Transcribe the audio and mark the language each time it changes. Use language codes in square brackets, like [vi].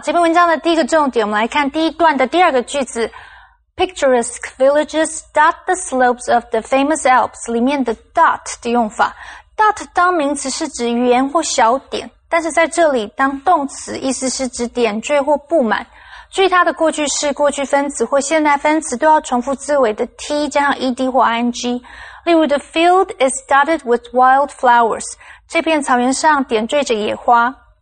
[zh] 这篇文章的第一个重点，我们来看第一段的第二个句子。 [en] Picturesque villages dot the slopes of the famous Alps. [zh] 里面的 dot 的用法 ，dot 当名词是指圆或小点，但是在这里当动词，意思是指点缀或布满。注意它的过去式、过去分词或现在分词都要重复字尾的 t 加上 ed 或 ing。例如 [en] ，the field is dotted with wild flowers. [zh] 这片草原上点缀着野花。